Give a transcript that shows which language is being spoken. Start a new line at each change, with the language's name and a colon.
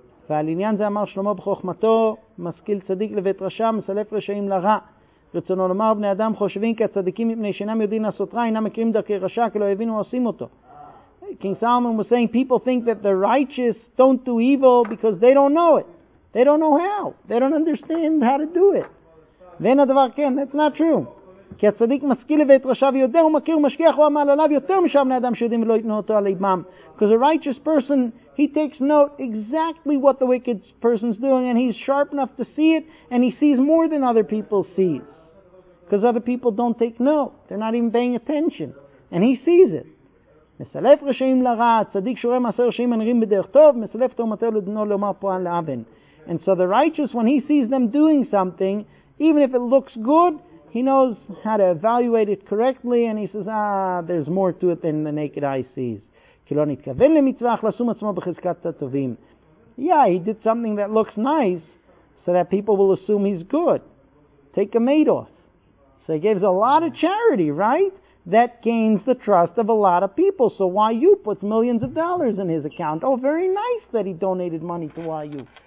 Hebrew: ועל עניין זה אמר שלמה בחוכמתו, משכיל צדיק לבית רשע, מסלף רשעים לרע. רצונו לומר, בני אדם חושבים כי הצדיקים מפני שאינם יודעים לעשות רע, אינם מכירים דרכי רשע, כי לא הבינו עושים אותו.
English: King Solomon was saying, people think that the righteous don't do evil because they don't know it. They don't know how. They don't understand how to do it.
Hebrew: ואין הדבר כן,
English: that's not true.
Hebrew: כי הצדיק משכיל לבית רשע ויודע ומכיר ומשגיח ומעלליו יותר משאר בני אדם שיודעים ולא יתנו אותו על ליבם.
English: Because a righteous person, he takes note exactly what the wicked person's doing, and he's sharp enough to see it, and he sees more than other people see. Because other people don't take note. They're not even paying attention. And he sees it.
Hebrew: מסלף רשעים לרע, צדיק שורה מעשה רשעים הנראים בדרך טוב, מסלף תורמתו לדינו לומר פועל לאבן.
English: And so the righteous, when he sees them doing something, even if it looks good, he knows how to evaluate it correctly, and he says, ah, there's more to it than the naked eye sees.
Hebrew: כי לא נתכוון למצווה, אך לשום עצמו בחזקת הטובים.
English: Yeah, he did something that looks nice, so that people will assume he's good. Take a maid off. So he gives a lot of charity, right? That gains the trust of a lot of people. So YU puts millions of dollars in his account. Oh, very nice that he donated money to YU.